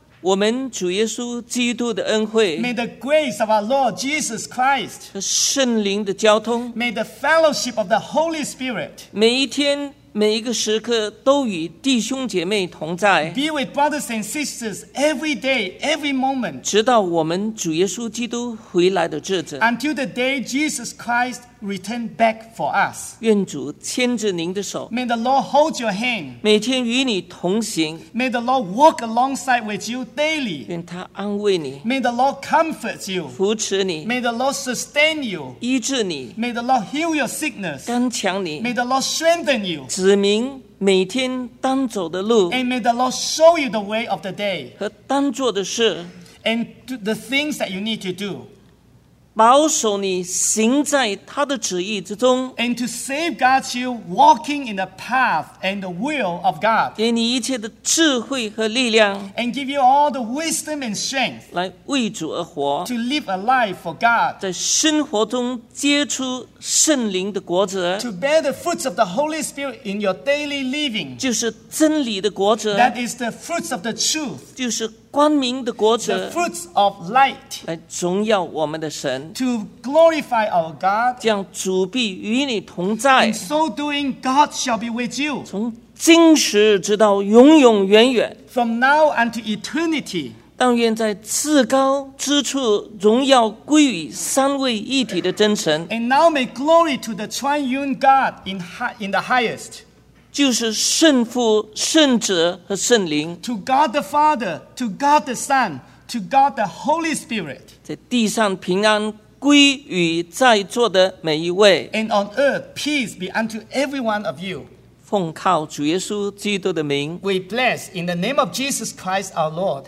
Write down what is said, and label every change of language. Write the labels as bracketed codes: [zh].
[zh] 我们主耶稣基督的恩惠, [en] may the grace of our Lord Jesus Christ, [zh] 和圣灵的交通, [en] may the fellowship of the Holy Spirit, [zh] 每一天每一个时刻都与弟兄姐妹同在, [en] be with brothers and sisters every day, every moment, [zh] 直到我们主耶稣基督回来的日子, [en] until the day Jesus Christ return back for us. [zh] 愿主牵着您的手, [en] may the Lord hold your hand, [zh] 每天与你同行, [en] may the Lord walk alongside with you daily, [zh] 愿他安慰你, [en] may the Lord comfort you, [zh] 扶持你, [en] may the Lord sustain you, [zh] 医治你, [en] may the Lord heal your sickness, [zh] 刚强你, [en] may the Lord strengthen you, [zh] 指明每天当走的路, [en] and may the Lord show you the way of the day, [zh] 和当做的事, [en] and the things that you need to do, [zh] 保守你行在他的旨意之中, [en] and to safeguard you walking in the path and the will of God, [zh] 给你一切的智慧和力量, [en] and give you all the wisdom and strength, [zh] 来为主而活, [en] to live a life for God, [zh] 在生活中结出圣灵的果子, [en] to bear the fruits of the Holy Spirit in your daily living, [zh] 就是真理的果子, [en] that is the fruits of the truth, [zh] 就是光明的果子, [en] the fruits of light, [zh] 来荣耀我们的神, [en] to glorify our God, [zh] 这样主必与你同在, [en] in so doing God shall be with you, [zh] 从今时直到永永远远, [en] from now unto eternity, [zh] 但愿在至高之处荣耀归于三位一体的真神, [en] and now may glory to the triune God in the highest, [zh] 就是圣父、圣子和圣灵。 [en] To God the Father, to God the Son, to God the Holy Spirit. [zh] 在地上平安归于在座的每一位。 [en] And on earth, peace be unto every one of you. [zh] 奉靠主耶稣基督的名。 [en] We bless in the name of Jesus Christ our Lord.